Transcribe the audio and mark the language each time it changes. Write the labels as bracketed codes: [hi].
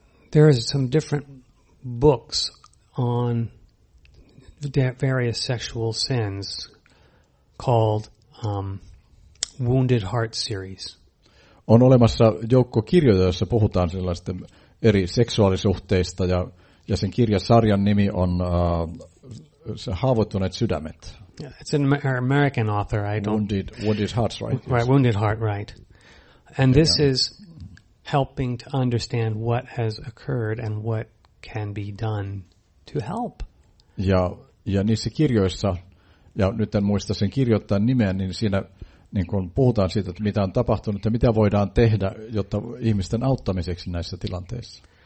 [en] There is some different books on various sexual sins called Wounded Heart series. [fi] On olemassa joukko kirjoja, joissa puhutaan sellaista eri seksuaalisuhteista ja sen kirjasarjan nimi on Haavoittuneet sydämet. [en] Yeah, it's an American author. I don't Wounded Hearts, right? Right, Wounded Heart, right. And this is helping to understand what has occurred and what can be done to help. [fi] Ja niissä kirjoissa, ja nyt en muista sen kirjoittajan nimeä, niin siinä niin kun puhutaan siitä, että mitä on tapahtunut ja mitä voidaan tehdä, jotta ihmisten auttamiseksi näissä tilanteissa.